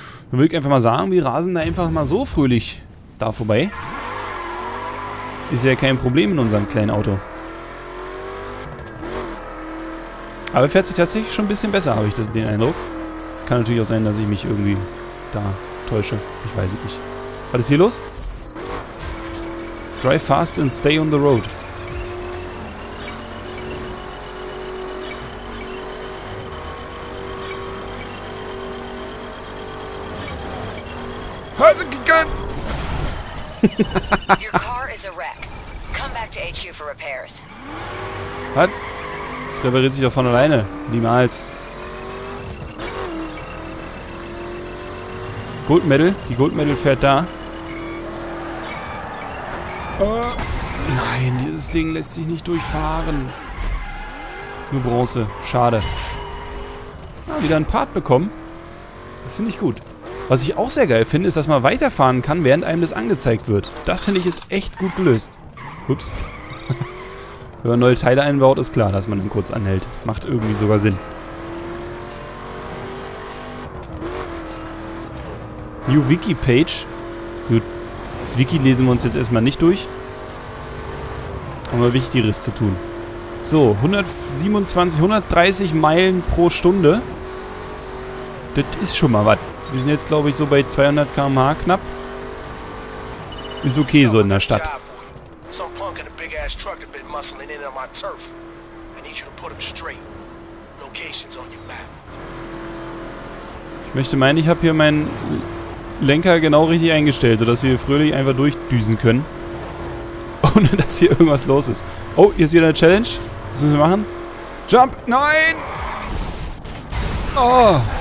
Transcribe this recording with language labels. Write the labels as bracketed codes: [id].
[de] Dann würde ich einfach mal sagen, wir rasen da einfach mal so fröhlich da vorbei. Ist ja kein Problem in unserem kleinen Auto. Aber fährt sich tatsächlich schon ein bisschen besser, habe ich den Eindruck. Kann natürlich auch sein, dass ich mich irgendwie da täusche. Ich weiß es nicht. Was ist hier los? [en] Drive fast and stay on the road. Your car is a wreck. Come back to HQ for repairs. [de] Was? Das repariert sich doch von alleine. Niemals. Gold Medal. Die Gold Medal fährt da. Nein, dieses Ding lässt sich nicht durchfahren. Nur Bronze. Schade. Ah, wieder ein Part bekommen. Das finde ich gut. Was ich auch sehr geil finde, ist, dass man weiterfahren kann, während einem das angezeigt wird. Das finde ich ist echt gut gelöst. Ups. Wenn man neue Teile einbaut, ist klar, dass man ihn kurz anhält. Macht irgendwie sogar Sinn. New Wiki Page. Gut. Das Wiki lesen wir uns jetzt erstmal nicht durch. Haben wir Wichtigeres zu tun. So, 127, 130 Meilen pro Stunde. Das ist schon mal was. Wir sind jetzt, glaube ich, so bei 200 km/h knapp. Ist okay so in der Stadt. [en] Some punk in a big ass truck has been muscling in on my turf. I need you to put him straight. Location's on your map. [de] Ich möchte meinen, ich habe hier meinen Lenker genau richtig eingestellt, sodass wir fröhlich einfach durchdüsen können. Ohne dass hier irgendwas los ist. Oh, hier ist wieder eine Challenge. Was müssen wir machen? Jump! Nein! Oh!